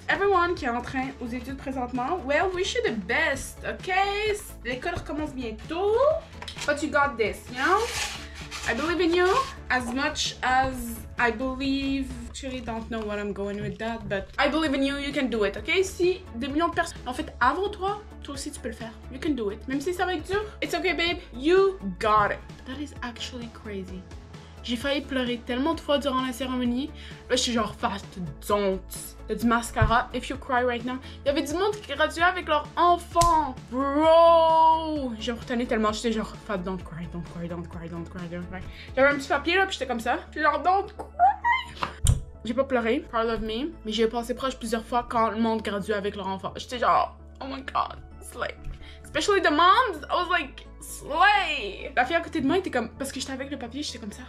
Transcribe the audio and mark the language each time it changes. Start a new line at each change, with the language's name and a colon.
English: Everyone
French: qui est en train aux études présentement,
English: well, wish you the best, okay?
French: L'école recommence bientôt,
English: but you got this, you know? I believe in you as much as I believe. Actually, don't know what I'm going with that, but I believe in you. You can do it, okay?
French: Si des millions de personnes, en fait, avant toi, toi aussi tu peux le faire.
English: You can do it,
French: même si ça va être dur.
English: It's okay, babe. You got it. That is actually crazy.
French: J'ai failli pleurer tellement de fois durant la cérémonie. Là, je suis genre
English: fast, don't.
French: Il y a du mascara,
English: if you cry right now.
French: Il y avait du monde qui graduait avec leur enfant.
English: Bro!
French: J'ai retenu tellement, j'étais genre
English: fast, don't cry, don't cry,
French: don't cry, don't cry, don't cry. J'avais un petit papier là, puis j'étais comme ça. J'étais genre,
English: don't cry!
French: J'ai pas pleuré,
English: proud of me.
French: Mais j'ai pensé proche plusieurs fois quand le monde graduait avec leur enfant. J'étais genre,
English: oh my god, slay. Especially the moms, I was like, slay!
French: La fille à côté de moi était comme, parce que j'étais avec le papier, j'étais comme ça.